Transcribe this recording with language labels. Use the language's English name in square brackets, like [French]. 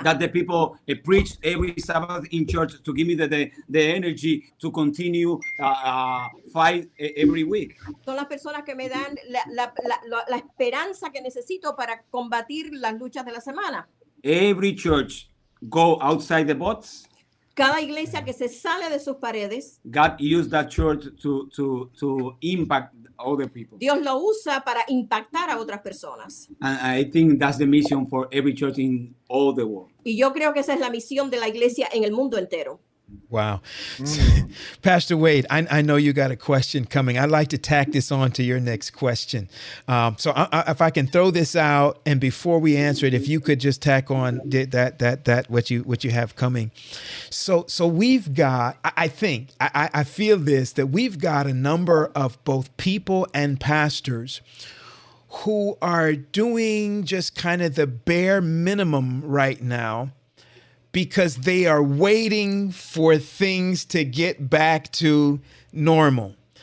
[English] That the people preach every Sabbath in church to give me the energy to continue fight every week. [Spanish] Son las personas que me dan la esperanza que necesito para combatir las luchas de la semana. [English] Every church go outside the box. [Spanish] Cada iglesia que se sale de sus paredes. [English] God used that church to impact other people. [Spanish] Dios lo usa para impactar a otras personas. [English] And I think that's the mission for every church in all the world. [Spanish] Y yo creo que esa es la misión de la iglesia en el mundo entero. [English] Wow. Mm. Pastor Wade, I know you got a question coming. I'd like to tack this on to your next question. If I can throw this out, and before we answer it, if you could just tack on that what you have coming. So we've got, I feel this, that we've got a number of both people and pastors who are doing just kind of the bare minimum right now, because they are waiting for things to get back to normal.